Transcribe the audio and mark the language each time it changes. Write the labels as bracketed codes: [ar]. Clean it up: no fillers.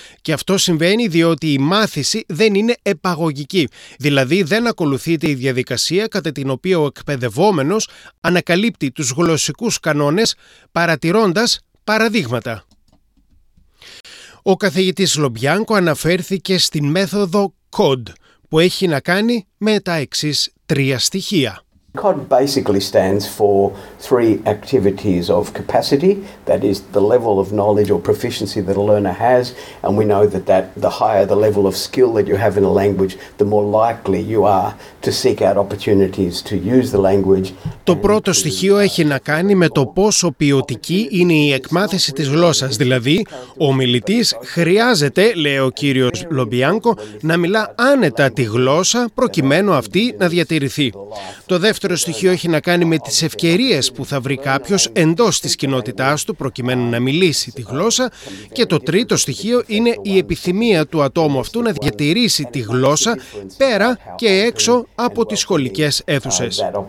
[el] Και αυτό συμβαίνει διότι η μάθηση δεν είναι επαγωγική, δηλαδή δεν ακολουθείται η διαδικασία κατά την οποία ο εκπαιδευόμενος ανακαλύπτει τους γλωσσικούς κανόνες παρατηρώντας παραδείγματα. Ο καθηγητής Λομπιάνκο αναφέρθηκε στην μέθοδο COD, που έχει να κάνει με τα εξής τρία στοιχεία. [en] COD basically stands for three activities of capacity, that is the level of knowledge or proficiency that a learner has, and we know that the higher the level of skill that you have in a language, the more likely you are to seek out opportunities to use the language. [el] Το πρώτο στοιχείο έχει να κάνει με το πόσο ποιοτική είναι η εκμάθηση της γλώσσας, δηλαδή ο μιλητής χρειάζεται, λέει ο κύριος Λομπιάνκο, να μιλά άνετα τη γλώσσα προκειμένου αυτή να διατηρηθεί. Το δεύτερο στοιχείο έχει να κάνει με τις ευκαιρίες που θα βρει κάποιος εντός της κοινότητάς του προκειμένου να μιλήσει τη γλώσσα και το τρίτο στοιχείο είναι η επιθυμία του ατόμου αυτού να διατηρήσει τη γλώσσα πέρα και έξω από τις σχολικές αίθουσες.